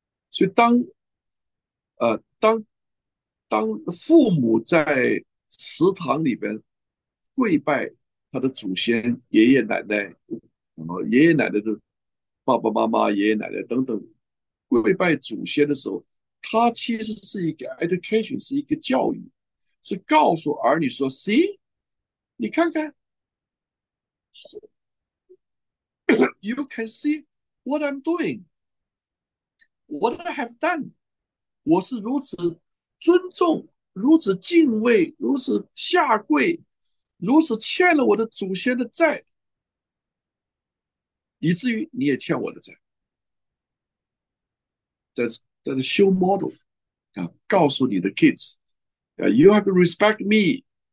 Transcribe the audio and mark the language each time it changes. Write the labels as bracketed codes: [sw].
[zh] 所以当父母在祠堂里边跪拜他的祖先、爷爷奶奶，爷爷奶奶的爸爸妈妈、爷爷奶奶等等，跪拜祖先的时候，它其实是一个 education，是一个教育，是告诉儿女说： [en] “See。” [zh] 你看看 [en] ，You can see what I'm doing, what I have done。 [zh] 我是如此尊重、如此敬畏、如此下跪、如此欠了我的祖先的债，以至于你也欠我的债。 [en] That's show model 啊， [zh] 告诉你的 [en] kids 啊，You have to respect me。